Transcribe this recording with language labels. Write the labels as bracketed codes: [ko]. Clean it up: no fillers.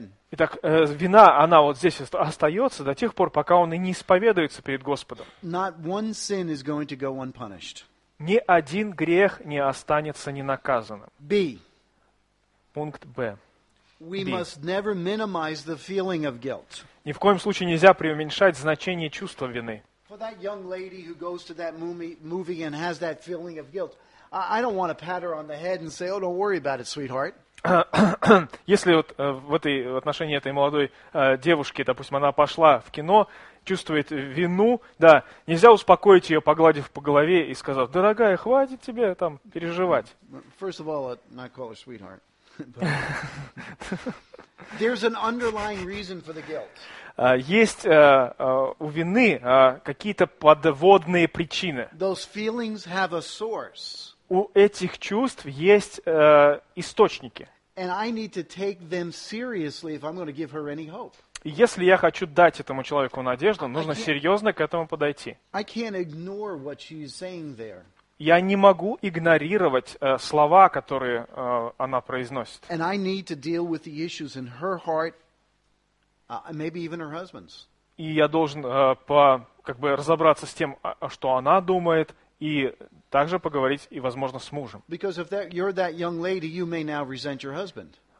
[ru] Итак, вина, она вот здесь остается до тех пор, пока он и не исповедуется перед Господом. [en] Not one sin is going to go unpunished. [ru] Ни один грех не останется ненаказанным. [en] B. [ru] Пункт Б. [en] We must never minimize the feeling of guilt. [ru] Ни в коем случае нельзя преуменьшать значение чувства вины. [en] For that young lady who goes to that movie and has that feeling of guilt, I don't want to pat her on the head and say, "Oh, don't worry about it, sweetheart." [ru] Если вот в этой в отношении этой молодой девушки, допустим, она пошла в кино, чувствует вину, да, нельзя успокоить ее, погладив по голове и сказав, "Дорогая, хватит тебе там переживать." [en] First of all, not call her sweetheart. There's an underlying reason for the guilt. [ru] Есть у вины какие-то подводные причины. [en] Those feelings have a source. [ru] У этих чувств есть источники. [en] And I need to take them seriously if I'm going to give her any hope. [ru] Если я хочу дать этому человеку надежду, нужно серьезно к этому подойти. [en] I can't ignore what she's saying there. [ru] Я не могу игнорировать слова, которые она произносит. [en] And I need to deal with the issues in her heart. Maybe even her husband's. [ru] И я должен разобраться с тем, что она думает, и также поговорить, и, возможно, с мужем. [en] Because if that, you're that young lady, you may now resent your husband.